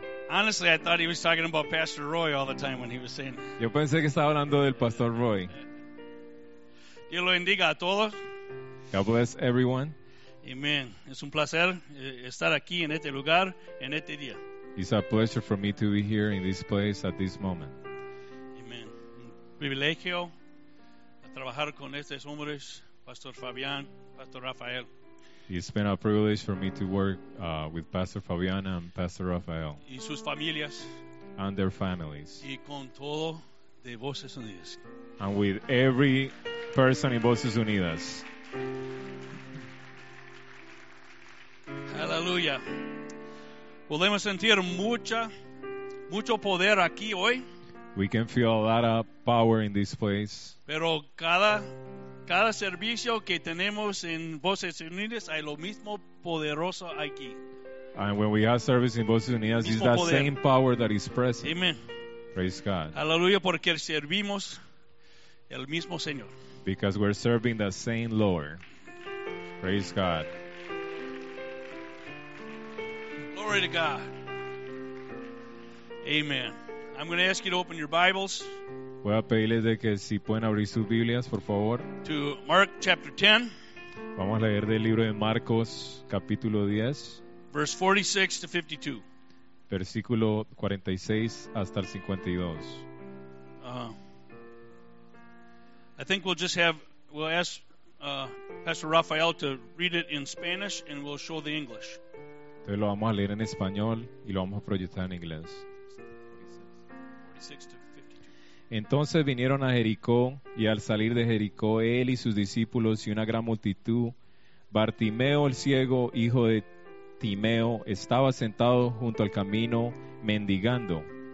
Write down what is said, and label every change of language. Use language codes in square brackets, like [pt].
[en] Honestly, I thought he was talking about Pastor Roy all the time when he was saying. [es] Yo pensé que estaba hablando del Pastor Roy. Dios lo bendiga a todos. [en] God bless everyone. Amen. [es] Es un placer estar aquí en este lugar, en este día. [en] It's a pleasure for me to be here in this place at this moment. Amen. [es] Un privilegio trabajar con estos hombres, Pastor Fabián, Pastor Rafael. [en] It's been a privilege for me to work with Pastor Fabiana and Pastor Rafael. [es] Y sus familias. [en] And their families. [es] Y con todo de Voces Unidas. [en] And with every person in Voces Unidas. [es] Hallelujah. Podemos sentir mucho poder aquí hoy. [en] We can feel a lot of power in this place. [es] Pero cada servicio que tenemos en Voces Unidas hay lo mismo poderoso aquí. [en] And when we have service in Voces Unidas, it's that same power that is present. Amen. Praise God. [es] Aleluya, porque servimos el mismo Señor. [en] Because we're serving the same Lord. Praise God. Glory to God. Amen. I'm going to ask you to open your Bibles [es] Voy a pedirles de que si pueden abrir sus Biblias, por favor. [en] To Mark chapter 10. [es] Vamos a leer del libro de Marcos, capítulo 10. [en] Verse 46 to 52. [es] Versículo 46 hasta el 52. [en] I think we'll just have, we'll ask Pastor Rafael to read it in Spanish and we'll show the English. [es] Entonces lo vamos a leer en español y lo vamos a proyectar en inglés. Entonces vinieron a Jericó, y al salir de Jericó, él y sus discípulos y una gran multitud. Bartimeo el ciego, hijo de Timeo, estaba sentado junto al camino, mendigando.